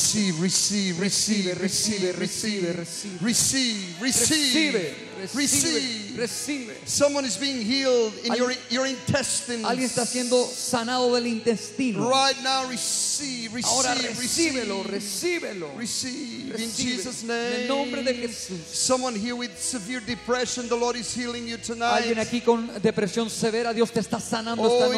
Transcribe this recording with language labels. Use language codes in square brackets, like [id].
[en] Receive, receive, receive, receive, receive, receive, receive, receive. Receive. [es] Recibe. [en] Someone is being healed in your intestines. [es] Alguien está siendo sanado del intestino. [en] Right now, receive, receive, [es] ahora recíbelo, recíbelo. [en] Receive, [es] recíbelo. [en] In Jesus' name. [es] En el nombre de Jesús. [en] Someone here with severe depression, the Lord is healing you tonight. [es] Alguien aquí con depresión severa, Dios te está sanando esta noche.